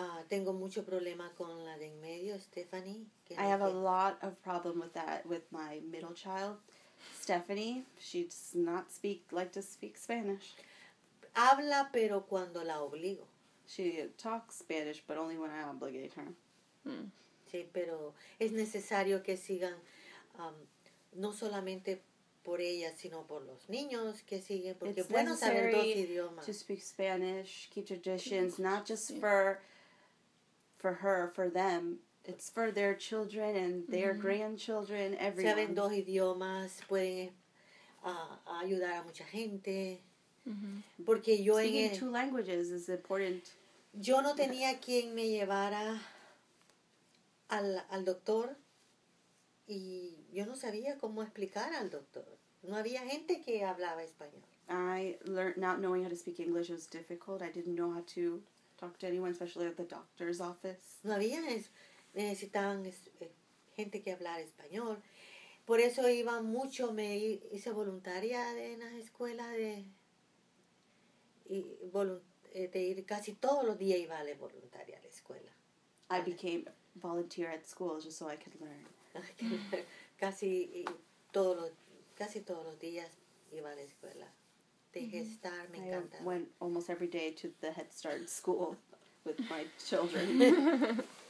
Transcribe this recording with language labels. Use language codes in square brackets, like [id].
[es] Tengo mucho problema con la de en medio, Stephanie. [en] I have a lot of problem with that, with my middle child, Stephanie. She does not like to speak Spanish. [es] Habla, pero cuando la obligo. [en] She talks Spanish, but only when I obligate her. [es] Sí, pero es necesario que sigan, no solamente por ella, sino por los niños que siguen, porque [en] it's [es] bueno saber dos idiomas. [en] To speak Spanish, keep traditions, not just for her, for them. It's for their children and their mm-hmm. grandchildren, everyone. [es] Saben dos idiomas, pueden ayudar a mucha gente. Mm-hmm. Porque yo [en] speaking en two languages is important. [es] Yo no tenía quien me llevara al doctor y yo no sabía cómo explicar al doctor. No había gente que hablaba español. [en] I learned not knowing how to speak English was difficult. I didn't know how to talk to anyone, especially at the doctor's office. [es] No había necesitaban gente que hablara español. Por eso iba mucho, me hice voluntaria en las escuelas de ir casi todos los días iba de voluntaria a la escuela. [en] I became volunteer at school just so I could learn. [es] casi todos los días iba a la escuela. Dejé mm-hmm. estar, me encantaba. [en] I went almost every day to the Head Start school with my children.